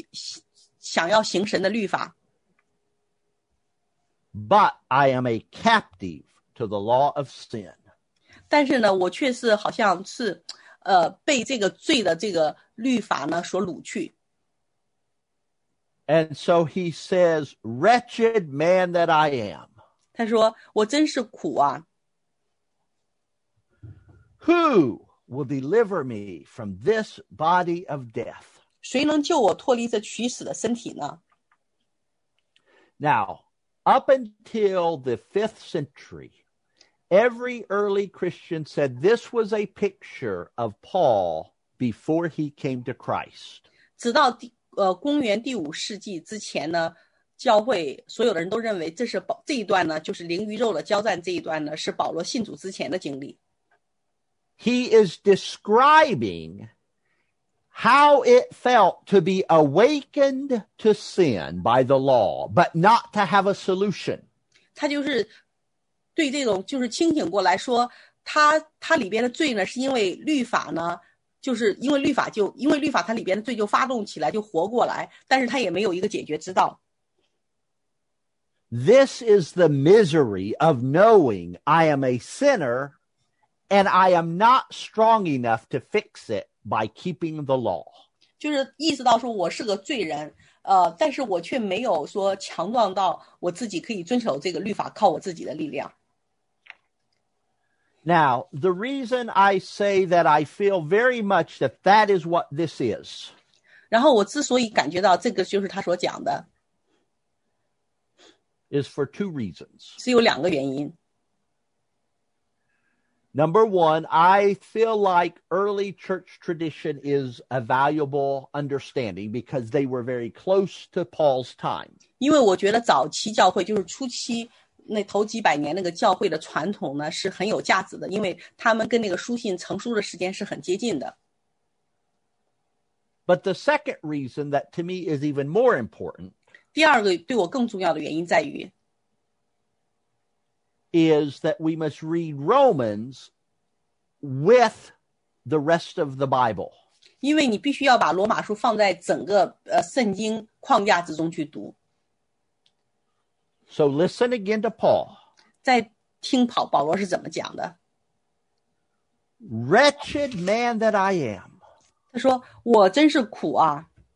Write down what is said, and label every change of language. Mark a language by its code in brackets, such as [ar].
[zh] 在我里头呢,我是想要行神的律法。 [en] But I am a captive to the law of sin. [zh] 但是呢,我确实好像是被这个罪的这个律法呢,所掳去。 [en] And so he says, wretched man that I am. [zh] 他说,我真是苦啊。 [en] Who will deliver me from this body of death? [zh] 谁能救我脱离这取死的身体呢? [en] Now, up until the 5th century, every early Christian said this was a picture of Paul before he came to Christ. [zh] 直到公元第五世纪之前呢,教会所有的人都认为这是保这一段呢，就是灵与肉的交战这一段呢，是保罗信主之前的经历。 [en] He is describing how it felt to be awakened to sin by the law, but not to have a solution. [zh] 他就是对这种就是清醒过来说，他里边的罪呢，是因为律法呢。就是因为律法就因为律法它里边的罪就发动起来就活过来但是它也没有一个解决之道 [en] This is the misery of knowing I am a sinner and I am not strong enough to fix it by keeping the law [zh] 就是意识到说我是个罪人但是我却没有说强壮到我自己可以遵守这个律法靠我自己的力量 [en] Now, the reason I say that I feel very much that that is what this is. [zh] 然后我之所以感觉到这个就是他所讲的。 [en] Is for two reasons. [zh] 是有两个原因。 [en] Number one, I feel like early church tradition is a valuable understanding because they were very close to Paul's time. [zh] 因为我觉得早期教会就是初期那头几百年那个教会的传统呢是很有价值的因为他们跟那个书信成书的时间是很接近的 [en] But the second reason that to me is even more important [zh] 第二个对我更重要的原因在于 [en] is that we must read Romans with the rest of the Bible [zh] 因为你必须要把罗马书放在整个圣经框架之中去读 [en] So listen again to Paul. [zh] 在听跑保罗是怎么讲的 [en] Wretched man that I am. [zh] 他说我真是苦啊。